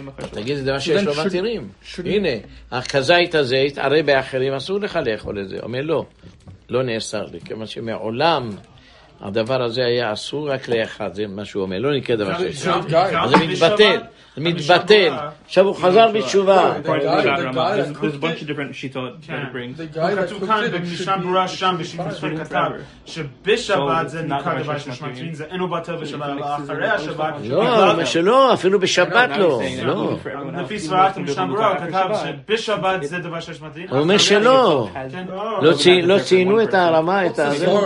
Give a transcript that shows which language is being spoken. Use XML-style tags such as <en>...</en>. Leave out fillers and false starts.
<he>תגיד, זה דבר שיש לו מתירים. הנה, הכזית הזה, הרי באחרים אסור לך לאכול את זה. אומר, לא, לא נאסר לי, כמו שמעולם... הדבר הזה היה אסור רק לאחד, זה מה שהוא אומר, לא נקרא דבר שיש לו. אז זה מתבטל, זה מתבטל. עכשיו הוא חזר בתשובה.</he> <en>There's a bunch of different שיטות that he brings.</en> <he>כתוב כאן במשנה ברורה שם, בשביל שפה כתב, שבשבת זה נקרא דבר שיש מתירים, זה אינו בטל בשבת, אלא אחרי השבת. לא, שלא, אפילו בשבת לא. לפי ספרת המשנה ברורה, כתב שבשבת זה דבר שיש מתירים. הוא אומר שלא. לא ציינו את הרמה, את הזה.</he>